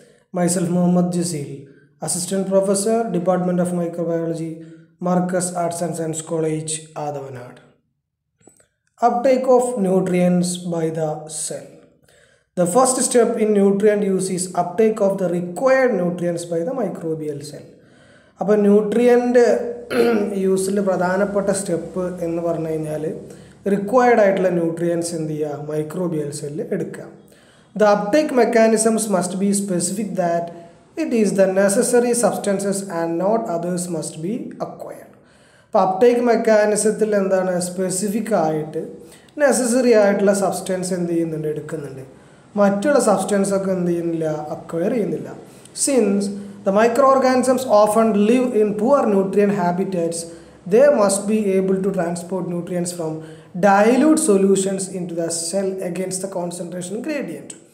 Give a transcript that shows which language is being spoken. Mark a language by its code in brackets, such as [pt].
[en] Myself Mohammed Jazeel, Assistant Professor, Department of Microbiology, Marcus Arts and Science College, Adavanad. Uptake of nutrients by the cell. The first step in nutrient use is uptake of the required nutrients by the microbial cell. [ml] അപ്പോൾ nutrient യൂസിൽ പ്രധാനപ്പെട്ട step എന്ന് പറഞ്ഞു കഴിഞ്ഞാൽ required ആയിട്ടുള്ള nutrients എന്ത് ചെയ്യുക, microbial സെല്ലിൽ എടുക്കുക. [en] The uptake mechanisms must be specific that it is the necessary substances and not others must be acquired. [ml] അപ്പോൾ അപ്ടേക്ക് മെക്കാനിസത്തിൽ എന്താണ് സ്പെസിഫിക് ആയിട്ട് നെസസറി ആയിട്ടുള്ള സബ്സ്റ്റൻസ് എന്ത് ചെയ്യുന്നുണ്ട്, എടുക്കുന്നുണ്ട്. മറ്റുള്ള സബ്സ്റ്റൻസൊക്കെ എന്ത് ചെയ്യുന്നില്ല, അക്വയർ ചെയ്യുന്നില്ല. [en] Since The microorganisms often live in poor nutrient habitats. They must be able to transport nutrients from dilute solutions into the cell against the concentration gradient.